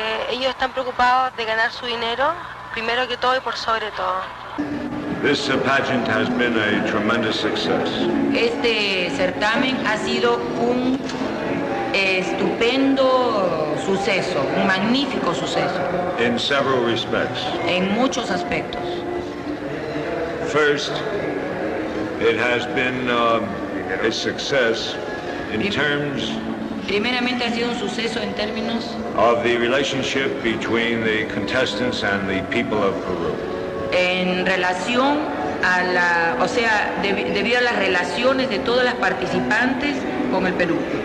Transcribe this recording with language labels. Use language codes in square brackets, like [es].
[es] Ellos están preocupados de ganar su dinero, primero que todo y por sobre todo. [en] This pageant has been a tremendous success. [es] Este certamen ha sido un estupendo suceso, un magnífico suceso. [en] In several respects. [es] En muchos aspectos. [en] First, it has been a success in terms. [es] Primeramente ha sido un suceso en términos [en] of the relationship between the contestants and the people of Peru. [es] En relación a la, o sea, debido a las relaciones de todas las participantes con el Perú.